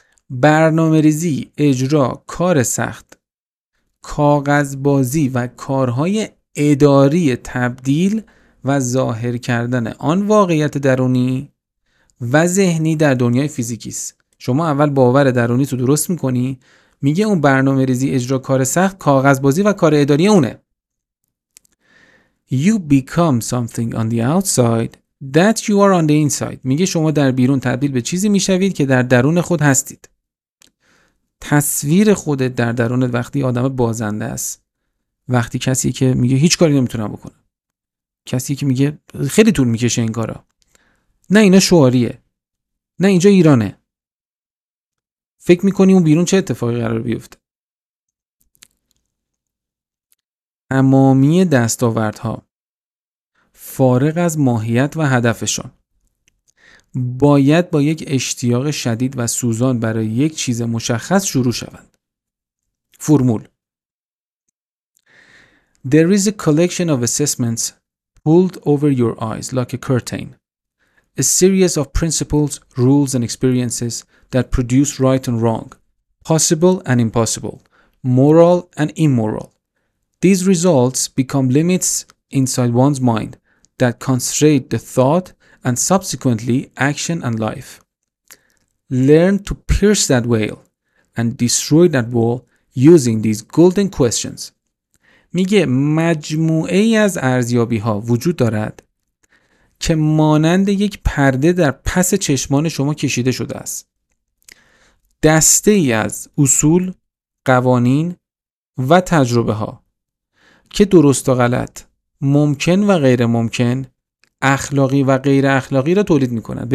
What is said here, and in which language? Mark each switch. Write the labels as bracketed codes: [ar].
[fa] برنامه‌ریزی، اجرا، کار سخت، کاغذبازی و کارهای اداری تبدیل و ظاهر کردن آن واقعیت درونی و ذهنی در دنیای فیزیکی است. شما اول باور درونی تو درست میکنی، میگه اون برنامه ریزی، اجرا، کار سخت، کاغذبازی و کار اداری اونه. [en] You become something on the outside that you are on the inside. [fa] میگه شما در بیرون تبدیل به چیزی میشوید که در درون خود هستید. تصویر خودت در درونت وقتی آدم بازنده است، وقتی کسی که میگه هیچ کاری نمیتونم بکنم، کسی که میگه خیلی طول میکشه این کارا، نه اینا شعاریه، نه اینجا ایرانه، فکر میکنی اون بیرون چه اتفاقی قرار بیفته. تمامی دستاوردها فارغ از ماهیت و هدفشان باید با یک اشتیاق شدید و سوزان برای یک چیز مشخص شروع شوند. [en] فرمول: There is a collection of assessments pulled over your eyes like a curtain. A series of principles, rules and experiences that produce right and wrong, possible and impossible, moral and immoral. These results become limits inside one's mind that constrain the thought and subsequently action and life. Learn to pierce that veil and destroy that wall using these golden questions. [fa] میگه مجموعه ای از ارزیابی ها وجود دارد که مانند یک پرده در پس چشمان شما کشیده شده است. دسته ای از اصول، قوانین و تجربه ها که درست و غلط، ممکن و غیر ممکن، اخلاقی و غیر اخلاقی را تولید می کنند.